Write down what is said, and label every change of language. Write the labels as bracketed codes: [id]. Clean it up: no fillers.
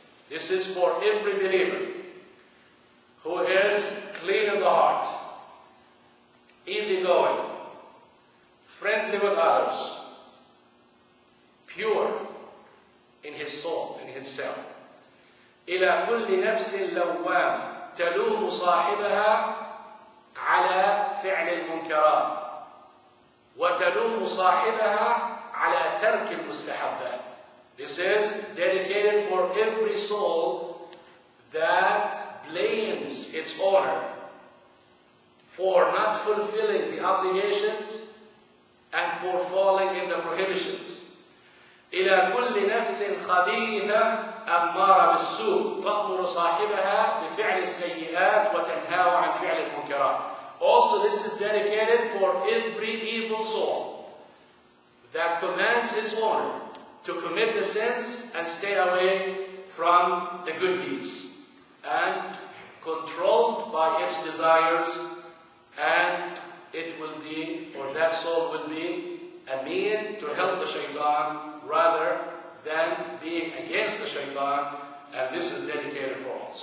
[en] This is for every believer who is clean in the heart, easygoing, friendly with others, pure in his soul, in himself. [ar] إلى كل نفس لوامة تلوم صاحبها على فعل المنكرات وتلوم صاحبها على ترك المستحبات. [en] This is dedicated for every soul that blames its owner for not fulfilling the obligations and for falling in the prohibitions. [ar] إلى كل نفس خبيثة أمارة بالسوء تأمر صاحبها بفعل السيئات وتنهاه عن فعل المنكرات. [en] Also, this is dedicated for every evil soul that commands its owner to commit the sins and stay away from the good deeds, and controlled by its desires, and it will be, or that soul will be, a mean to help the shaitan rather than being against the shaitan, and this is dedicated for all.